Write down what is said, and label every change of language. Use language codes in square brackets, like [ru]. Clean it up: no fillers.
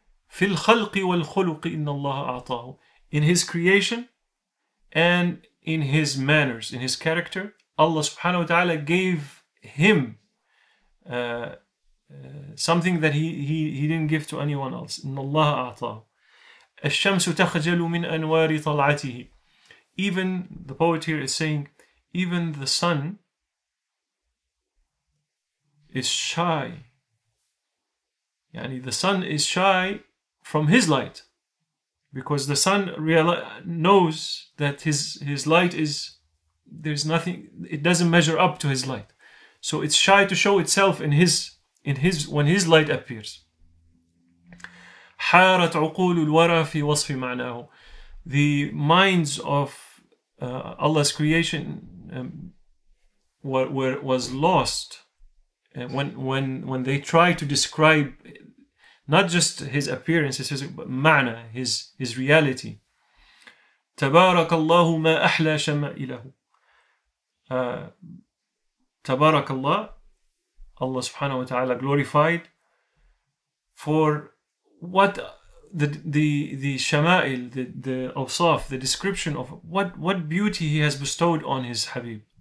[ar] فِي الْخَلْقِ وَالْخُلُقِ إِنَّ اللَّهَ أَعْطَاهُ. [en] In his creation and in his manners, in his character, Allah subhanahu wa ta'ala gave him something that he didn't give to anyone else. [ar] إِنَّ اللَّهَ أَعْطَاهُ. الشمس تخجل من أنوار طلعته. [en] Even the poet here is saying, even the sun is shy. يعني the sun is shy from his light, because the sun knows that his light is, there's nothing, it doesn't measure up to his light. So it's shy to show itself in his when his light appears. [ar] حارت عقول الورى في وصف معناه. [en] The minds of Allah's creation was lost when they tried to describe not just his appearance, his physical, but معنى, his reality. [ar] تبارك الله ما أحلى شمائله. تبارك الله, [en] Allah subhanahu wa ta'ala glorified for what the shama'il, the awsaf, the description of what beauty he has bestowed on his habib.